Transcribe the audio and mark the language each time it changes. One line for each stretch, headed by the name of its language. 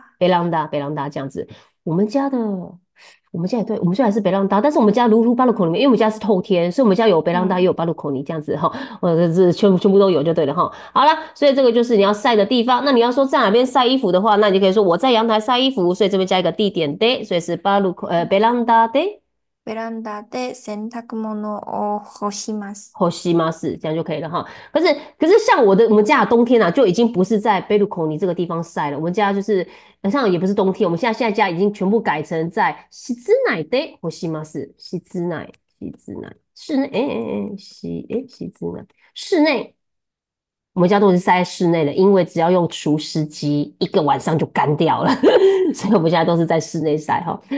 Chinese: Veranda 这样子，我们家也对，我们虽然是 Veranda，但是我们家如如 balcony 里面，因为我们家是透天，所以我们家有 Veranda 也有 balcony 这样子哈，我这全部都有就对了哈。好了，所以这个就是你要晒的地方。那你要说在哪边晒衣服的话，那你就可以说我在阳台晒衣服，所以这边加一个地点 day，所以是 Veranda day。
Japanese: ベランダで洗濯物を干します。
Chinese: ほしま是这样就可以了哈。可是像我们家冬天啊，就已经不是在贝鲁孔尼这个地方晒了。我们家就是像也不是冬天，我们现在家已经全部改成在室内的ほします。室内室内室内室内，我们家都是晒在室内的，因为只要用除湿机一个晚上就干掉了，所以我们现在都是在室内晒哈。